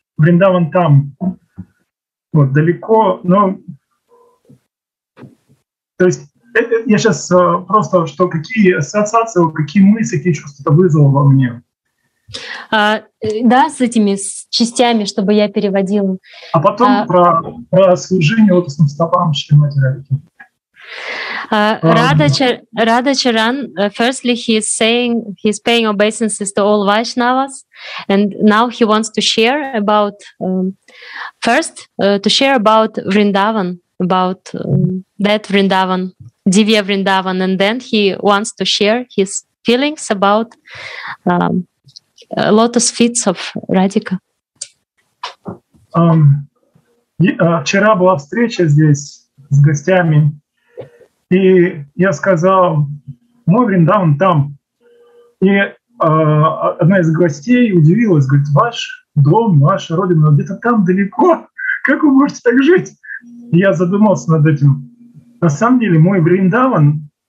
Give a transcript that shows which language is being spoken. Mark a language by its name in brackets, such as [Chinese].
[Russian] Вриндаван там вот, далеко, но то есть я сейчас просто что какие ассоциации, какие мысли, какие чувства вызвало во мне. Да, с этими с частями, чтобы я переводила. А потом про служение лотосным стопам Шримати Радхи. [English] Радхачаран, firstly, he's paying obeisances to all Vaishnavas, and now he wants to share about to share about Vrindavan, about that Vrindavan, Divya Vrindavan, and then he wants to share his feelings about Lotus Feets of Radhika. [Russian] Вчера была встреча здесь с гостями, и я сказал, мой Вриндаван там. И одна из гостей удивилась, говорит, ваш дом, ваша родина где-то там далеко, как вы можете так жить? И я задумался над этим. На самом деле мой Вриндаван